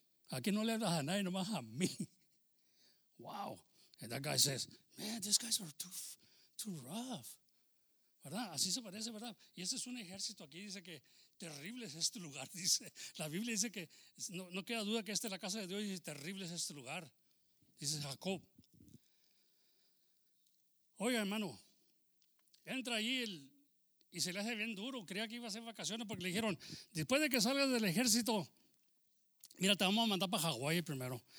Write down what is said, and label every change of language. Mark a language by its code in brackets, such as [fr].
[es] Aquí no le hablas a nadie, nomás a mí. [en] Wow. And that guy says, man, these guys are too rough. [es] ¿Verdad? Así se parece, ¿verdad? Y ese es un ejército aquí, dice que terrible es este lugar, dice. La Biblia dice que no queda duda que esta es la casa de Dios y terrible es este lugar. Dice Jacob. Oiga, hermano, entra ahí el, y se le hace bien duro. Creía que iba a hacer vacaciones porque le dijeron, después de que salgas del ejército, mira, te vamos a mandar para Hawái primero.